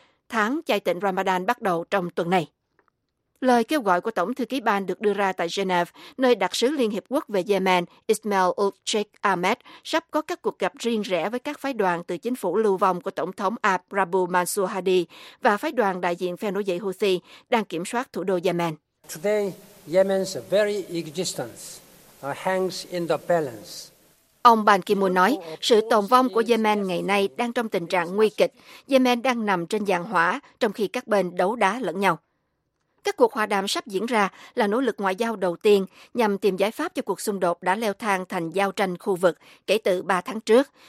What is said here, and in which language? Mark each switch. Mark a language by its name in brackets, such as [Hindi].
[Vietnamese] Tháng chay tịnh Ramadan bắt đầu trong tuần này. Lời kêu gọi của Tổng thư ký Ban được đưa ra tại Geneva, nơi đặc sứ Liên Hiệp Quốc về Yemen Ismail Ulchik Ahmed sắp có các cuộc gặp riêng rẽ với các phái đoàn từ chính phủ lưu vong của Tổng thống Abdul Mansur Hadi và phái đoàn đại diện phe nổi dậy Houthi đang kiểm soát thủ đô Yemen. [English] Today, Yemen's very existence hangs in the balance. [Vietnamese] Ông Ban Ki-moon nói, sự tồn vong của Yemen ngày nay đang trong tình trạng nguy kịch. Yemen đang nằm trên giàn hỏa, trong khi các bên đấu đá lẫn nhau. Các cuộc hòa đàm sắp diễn ra là nỗ lực ngoại giao đầu tiên nhằm tìm giải pháp cho cuộc xung đột đã leo thang thành giao tranh khu vực kể từ 3 tháng trước.